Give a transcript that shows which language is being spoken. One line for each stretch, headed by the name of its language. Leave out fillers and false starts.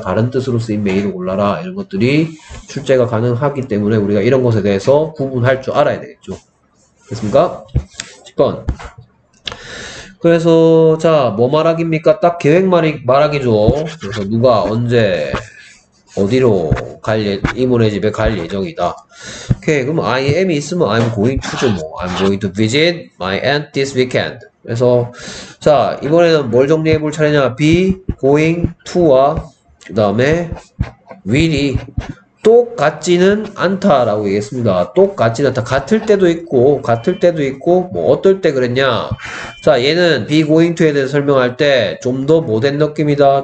Korean: 다른 뜻으로 쓰인 May를 골라라. 이런 것들이 출제가 가능하기 때문에 우리가 이런 것에 대해서 구분할 줄 알아야 되겠죠. 됐습니까? 10번. 그래서 자, 뭐 말하기입니까? 딱 계획 말하기죠. 그래서 누가 언제 어디로 갈 예, 이모네 집에 갈 예정이다. 오케이, 그럼 I am이 있으면
English: I'm going to
Korean: 죠 뭐.
English: I'm going to visit my aunt this weekend.
Korean: 그래서 자, 이번에는 뭘 정리해 볼 차례냐? be going to와 그다음에 will이 똑같지는 않다라고 얘기했습니다. 똑같지는 않다. 같을 때도 있고, 같을 때도 있고, 뭐 어떨 때 그랬냐? 자, 얘는 be going to에 대해서 설명할 때좀더 모던 느낌이다.